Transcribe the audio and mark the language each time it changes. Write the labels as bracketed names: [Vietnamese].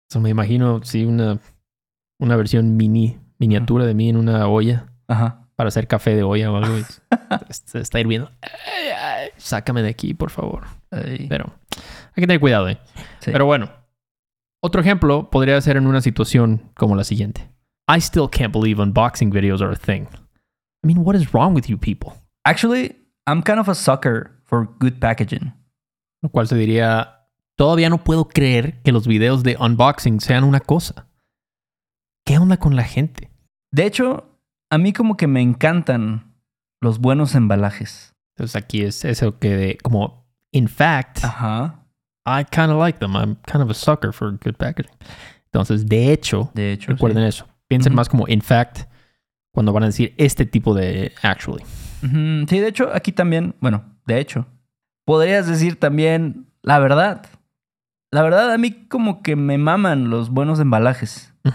[Spanish] Eso me imagino, sí, una versión miniatura de mí en una olla. Ajá. Para hacer café de olla o algo. Se está hirviendo. Ay, ay, sácame de aquí, por favor. Ay. Pero hay que tener cuidado, ¿eh? Sí. Pero bueno, otro ejemplo podría ser en una situación como la siguiente. [English] I still can't believe unboxing videos are a thing. I mean, what is wrong with you people? Actually, I'm kind of a sucker for good packaging. [Spanish] Lo cual se diría, todavía no puedo creer que los videos de unboxing sean una cosa. ¿Qué onda con la gente? De hecho, a mí como que me encantan los buenos embalajes. Entonces aquí es eso que de, como, [English] in fact, uh-huh. I kind of like them. I'm kind of a sucker for good packaging. [Spanish] Entonces, de hecho recuerden sí. Eso. Piensen uh-huh. más como [English] in fact [Spanish] cuando van a decir este tipo de actually. Uh-huh. Sí, de hecho, aquí también, bueno, de hecho, podrías decir también la verdad. La verdad, a mí como que me maman los buenos embalajes.